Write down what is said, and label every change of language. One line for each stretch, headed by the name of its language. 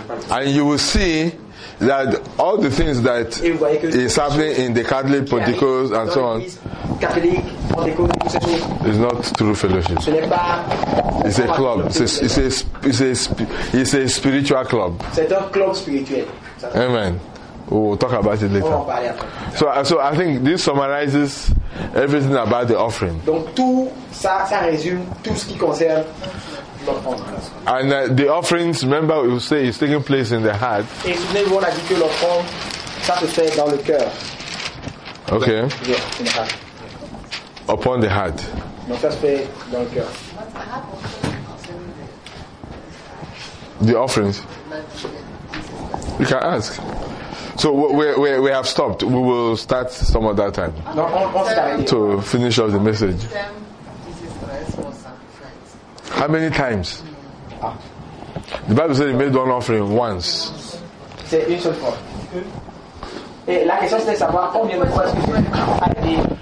English: And you will see that all the things that is happening in the Catholic, Pentecost, and so on is not true fellowship. It's a club. It's a spiritual club.
French: C'est un club spirituel.
English: Amen. We'll talk about it later. So I think this summarizes everything about the offering.
French: Donc tout ça, ça résume tout ce qui concerne l'offrande.
English: And the offerings, remember, we say it's taking place in the heart.
French: Et souvenez-vous, on a dit que l'offrande, ça se fait dans le cœur.
English: Okay. Yeah, in the heart. Upon the heart.
French: Donc ça se fait dans le cœur.
English: The offerings. You can ask. So we have stopped. We will start some other time. No, on to finish off the message. How many times? The Bible says he made one offering once.
French: C'est une seule fois. Et la question c'est savoir combien de fois est-ce que